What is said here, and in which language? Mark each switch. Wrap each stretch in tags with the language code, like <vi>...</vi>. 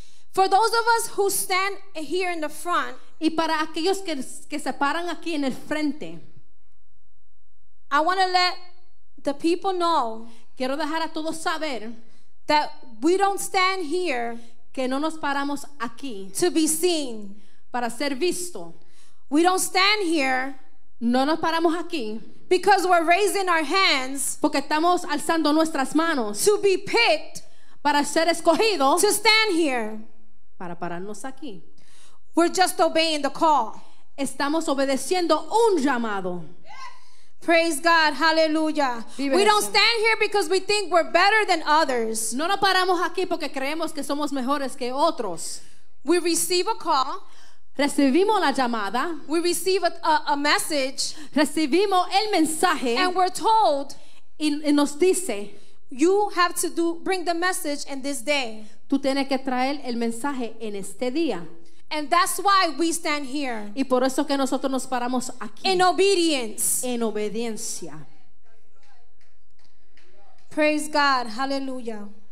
<en>For those of us who stand here in the front,</en> <es>y para aquellos que se paran aquí en el frente,</es> <en>I want to let the people know,</en> <es>quiero dejar a todos saber,</es> <en>that we don't stand here,</en> <es>que no nos paramos aquí,</es> <en>to be seen,</en> <es>para ser visto.</es> <en>We don't stand here,</en> <es>no nos paramos aquí,</es> <en>because we're raising our hands,</en> <es>porque estamos alzando nuestras manos,</es> <en>to be picked,</en> <es>para ser escogido,</es> <en>to stand here,</en> <es>para pararnos aquí.</es> <en>We're just obeying the call.</en> <es>Estamos obedeciendo un llamado.</es> <en>Praise God, hallelujah. We don't stand here because we think we're better than others.</en> <es>No nos paramos aquí porque creemos que somos mejores que otros.</es> <en>We receive a call.</en> <es>Recibimos la llamada.</es> <en>We receive a message.</en> <es>Recibimos el mensaje.</es> <en>And we're told,</en> <es>y nos dice,</es> <en>you have to bring the message in this day.</en> <es>Tú tienes que traer el mensaje en este día.</es> <en>And that's why we stand here.</en> <es>Y por eso que nosotros nos paramos aquí.</es> <en>In obedience.</en> <es>En obediencia.</es> <en>Praise God, hallelujah.</en>